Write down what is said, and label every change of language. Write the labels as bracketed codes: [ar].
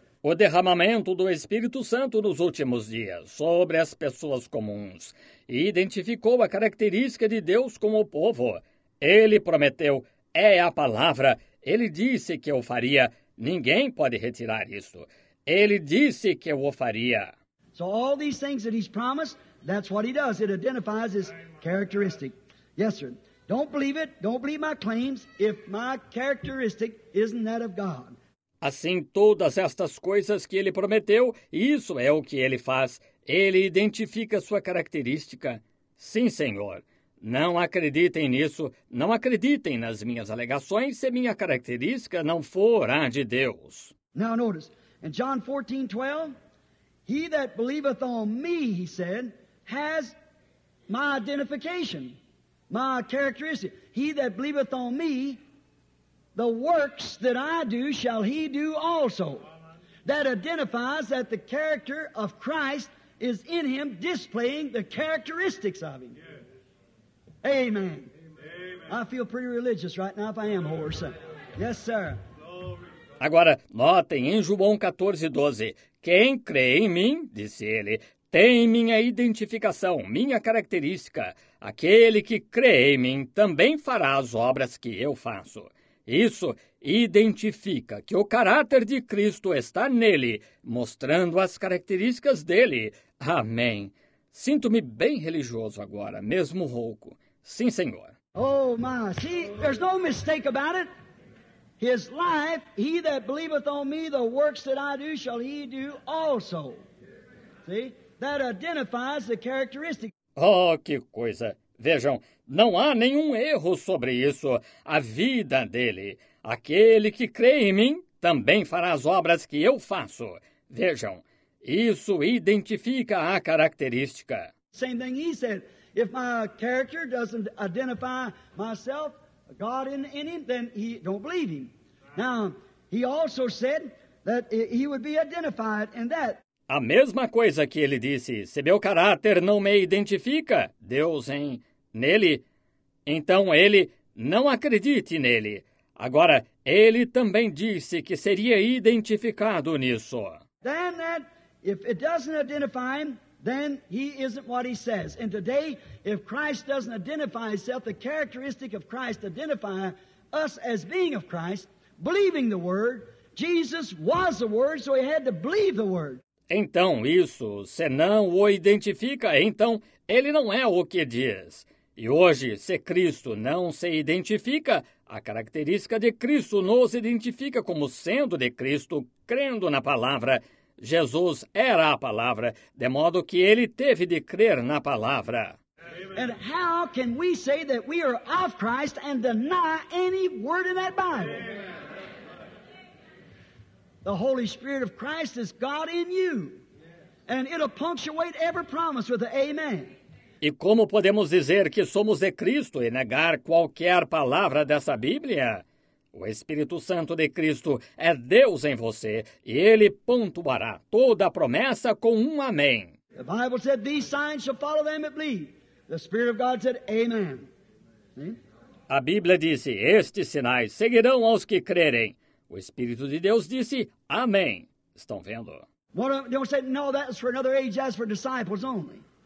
[pt] O derramamento do Espírito Santo nos últimos dias sobre as pessoas comuns e identificou a característica de Deus com o povo. Ele prometeu, é a palavra. Ele disse que o faria. Ninguém pode retirar isso. Ele disse que o faria. [en] So all these things that he's promised, that's what he does. It identifies his characteristic. Yes, sir. Don't believe it. Don't believe my claims if my characteristic isn't that of God. [pt] Assim, todas estas coisas que ele prometeu, isso é o que ele faz. Ele identifica sua característica. Sim, Senhor. Não acreditem nisso. Não acreditem nas minhas alegações se minha característica não for a de Deus. [en] Now notice, in John 14:12, he that believeth on me, he said, has my identification, my characteristic. He that believeth on me, the works that I do shall he do also. That identifies that the character of Christ is in him, displaying the characteristics of him. Yes. Amen. Amen. I feel pretty religious right now if I am, horse. Yes, sir. [pt] Agora, notem em João 14:12. Quem crê em mim, disse ele, tem minha identificação, minha característica. Aquele que crê em mim também fará as obras que eu faço. Isso identifica que o caráter de Cristo está nele, mostrando as características dele. Amém. Sinto-me bem religioso agora, mesmo rouco. Sim, Senhor. [en] Oh, my. See, there's no mistake about it. His life, he that believeth on me, the works that I do, shall he do also. See? That identifies the characteristic. [pt] Oh, que coisa. Vejam, não há nenhum erro sobre isso. A vida dele. Aquele que crê em mim também fará as obras que eu faço. Vejam, isso identifica a característica. [en] Same thing he said. If my character doesn't identify myself, God in him, then he don't believe him. Now, he also said that he would be identified in that. [pt] A mesma coisa que ele disse, se meu caráter não me identifica, Deus em nele, então ele não acredite nele. Agora, ele também disse que seria identificado nisso. [en] Then that, if it doesn't identify him, then he isn't what he says. And today, if Christ doesn't identify himself, the characteristic of Christ identify us as being of Christ, believing the Word, Jesus was the Word, so he had to believe the Word. [pt] Então, isso, se não o identifica, então, ele não é o que diz. E hoje, se Cristo não se identifica, a característica de Cristo nos identifica como sendo de Cristo, crendo na palavra. Jesus era a palavra, de modo que ele teve de crer na palavra. [en] And how can we say that we are of Christ and deny any word in that Bible? The Holy Spirit of Christ is God in you. And it'll punctuate every promise with an amen. [pt] E como podemos dizer que somos de Cristo e negar qualquer palavra dessa Bíblia? O Espírito Santo de Cristo é Deus em você e ele pontuará toda a promessa com um amém. [en] The Bible said these signs shall follow them that believe. The Spirit of God said amen. [pt] A Bíblia disse, estes sinais seguirão aos que crerem. O Espírito de Deus disse, amém. Estão vendo? [en] Don't say, no, that's for another age, that's for disciples only.